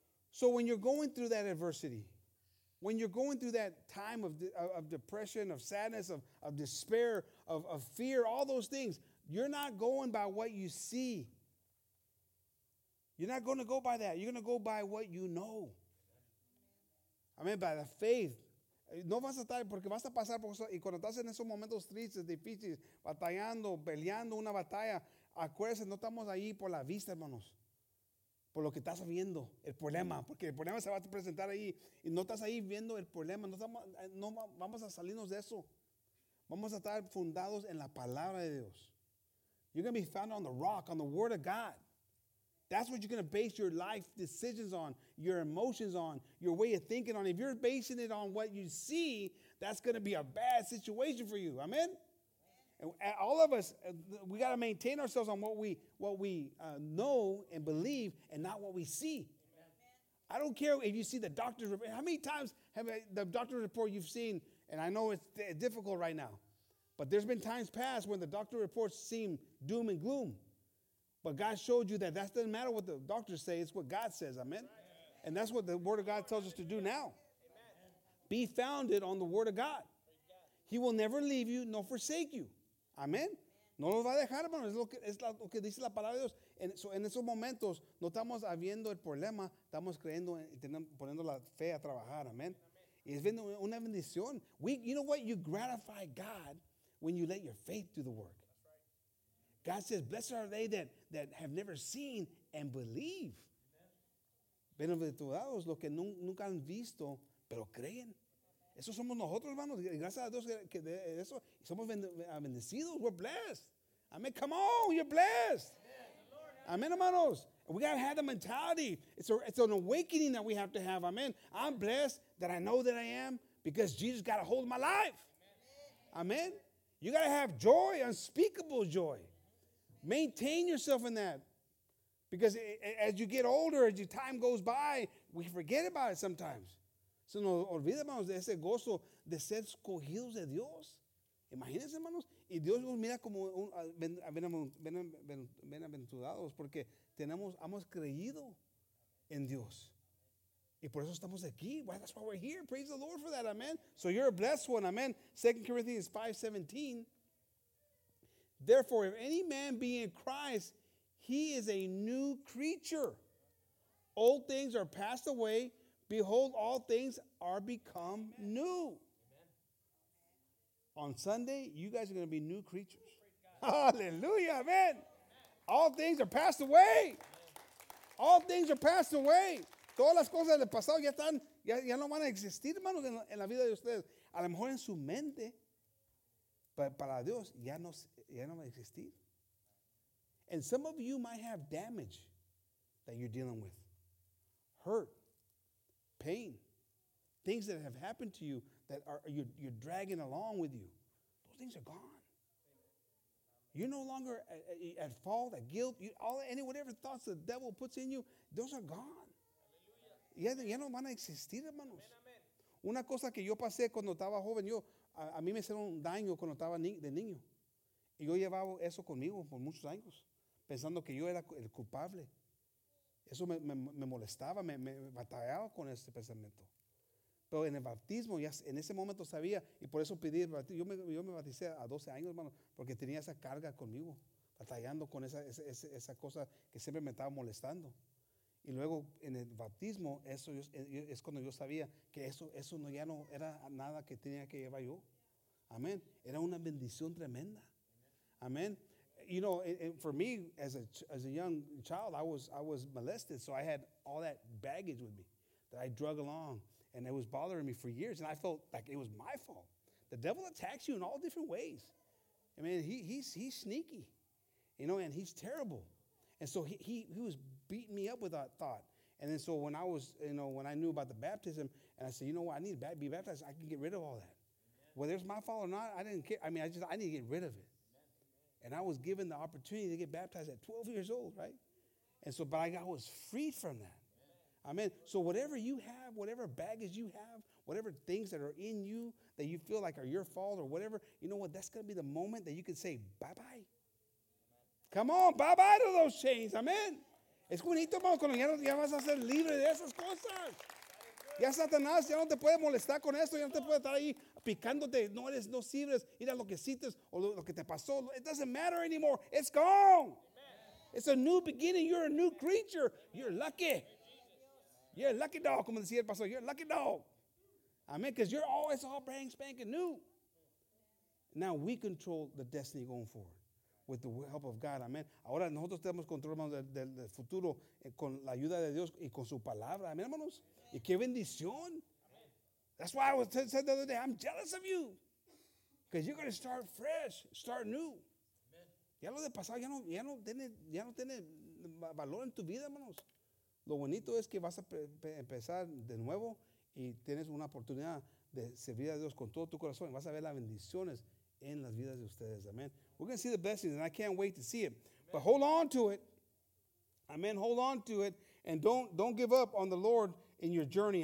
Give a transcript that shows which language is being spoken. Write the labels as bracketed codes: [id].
[en] So when you're going through that adversity, when you're going through that time of depression, of sadness, of despair, of fear, all those things, you're not going by what you see. You're not going to go by that. You're going to go by what you know. I mean, by the faith. [es] No vas a estar, porque vas a pasar por eso. Y cuando estás en esos momentos tristes, difíciles, batallando, peleando una batalla, acuérdense, no estamos ahí por la vista, hermanos. Por lo que estás viendo, el problema, porque el problema se va a presentar ahí y no estás ahí viendo el problema, no vamos a salirnos de eso. Vamos a estar fundados en la palabra de Dios. [en] You're going to be founded on the rock, on the word of God. That's what you're going to base your life decisions on, your emotions on, your way of thinking on. If you're basing it on what you see, that's going to be a bad situation for you. Amen? And all of us, we got to maintain ourselves on what we know and believe and not what we see. Amen. I don't care if you see the doctor's report. How many times have the doctor's report you've seen, and I know it's difficult right now, but there's been times past when the doctor reports seem doom and gloom. But God showed you that that doesn't matter what the doctors say. It's what God says, amen? Right. And that's what the word of God tells us to do now. Amen. Be founded on the word of God. He will never leave you nor forsake you. [es] Amén. No nos va a dejar, hermano. Es lo que dice la palabra de Dios. En esos momentos no estamos viendo el problema. Estamos creyendo y poniendo la fe a trabajar. Amén. Y es una bendición. [en] You know what? You gratify God when you let your faith do the work. God says, blessed are they that have never seen and believe. [es] Bienaventurados los que nunca han visto, pero creen. Eso somos nosotros, hermanos. Gracias a Dios que de eso. Somos bendecidos. [en] We're blessed. Amen. Come on. You're blessed. [es] Amen, hermanos. [en] We got to have the mentality. It's an awakening that we have to have. Amen. I'm blessed that I know that I am because Jesus got a hold of my life. Amen. You got to have joy, unspeakable joy. Maintain yourself in that. Because as you get older, as your time goes by, we forget about it sometimes. [es] Se nos olvida, hermanos, de ese gozo de ser escogidos de Dios. Imagínense, hermanos. Y Dios nos mira como bienaventurados porque hemos creído en Dios. Y por eso estamos aquí. [en] Why, that's why we're here. Praise the Lord for that. Amen. So you're a blessed one. Amen. 2 Corinthians 5:17. Therefore, if any man be in Christ, he is a new creature. Old things are passed away. Behold, all things are become Amen. New. Amen. On Sunday, you guys are going to be new creatures. Hallelujah, man. Amen. All things are passed away. Amen. All things are passed away. [es] Todas las cosas del pasado ya no van a existir, hermanos, en la vida de ustedes. A lo mejor en su mente, pero para Dios ya no va a existir. [en] And some of you might have damage that you're dealing with. Hurt. Pain, things that have happened to you that are you're dragging along with you, those things are gone. You're no longer at fault, at guilt. Whatever thoughts the devil puts in you, those are gone. [es] Ya no van a existir, hermanos. Una cosa que yo pasé cuando estaba joven, a mí me hicieron daño cuando estaba de niño, y yo llevaba eso conmigo por muchos años, pensando que yo era el culpable. Eso me molestaba, me batallaba con ese pensamiento. Pero en el bautismo, ya en ese momento sabía, y por eso pedí el bautismo. Yo me bauticé a 12 años, hermano, porque tenía esa carga conmigo, batallando con esa cosa que siempre me estaba molestando. Y luego en el bautismo, eso es cuando yo sabía que eso no, ya no era nada que tenía que llevar yo. Amén. Era una bendición tremenda. Amén. [en] You know, and for me, as a young child, I was molested, so I had all that baggage with me that I drug along, and it was bothering me for years, and I felt like it was my fault. The devil attacks you in all different ways. I mean, he's sneaky, you know, and he's terrible. And so he was beating me up with that thought. And then so when I was, you know, when I knew about the baptism, and I said, you know what, I need to be baptized, I can get rid of all that. Whether it's my fault or not, I didn't care. I mean, I need to get rid of it. And I was given the opportunity to get baptized at 12 years old, right? And so, but I was freed from that. Amen. So whatever you have, whatever baggage you have, whatever things that are in you that you feel like are your fault or whatever, you know what? That's going to be the moment that you can say bye-bye. Come on, bye-bye to those chains. Amen. [es] Es bonito, hermano, cuando ya vas a ser libre de esas cosas. Ya Satanás ya no te puede molestar con esto. Ya no te puede estar ahí picándote. No eres, no sirves. Mira lo que hiciste o lo que te pasó. [en] It doesn't matter anymore. It's gone. Amen. It's a new beginning. You're a new creature. You're lucky. You're a lucky dog, [es] como decía el pastor. [en] You're a lucky dog. Amen. Because you're always all brand spanking new. Now we control the destiny going forward. With the help of God, amen. [es] Ahora nosotros tenemos control, hermanos, del futuro con la ayuda de Dios y con su palabra, amen, hermanos. Y qué bendición. Amen. [en] That's why I was said the other day, I'm jealous of you. Because you're going to start fresh, start new. [es] Amen. Ya lo de pasado, ya no tiene valor en tu vida, hermanos. Lo bonito es que vas a empezar de nuevo y tienes una oportunidad de servir a Dios con todo tu corazón. Y vas a ver las bendiciones en las vidas de ustedes, amen. [en] We're going to see the blessings, and I can't wait to see it. Amen. But hold on to it. Amen. Hold on to it. And don't give up on the Lord in your journey.